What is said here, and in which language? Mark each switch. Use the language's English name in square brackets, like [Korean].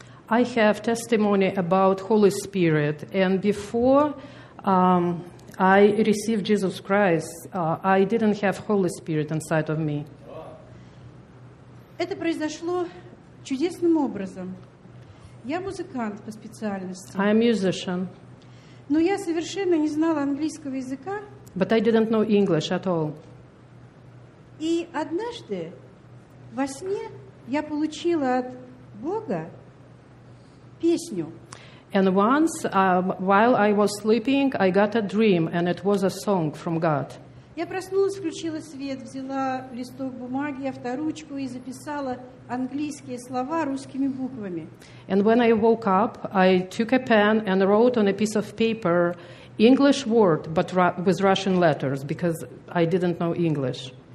[English] I have testimony about Holy Spirit, and before I received Jesus Christ, I didn't have Holy Spirit inside of me. [Russian] Это произошло чудесным образом. Я музыкант по специальности. [English] I'm a musician. [Russian] Но я совершенно не знала английского языка. [English] But I didn't know English at all. [Russian] И однажды во сне я получила от Бога песню. [English] And once, while I was sleeping, I got a dream, and it was a song from God. [Russian] Я проснулась, включила свет, взяла листок бумаги, авторучку и записала английские слова русскими буквами. [English] And when I woke up, I took a pen and wrote on a piece of paper English word, but with Russian letters, because I didn't know English.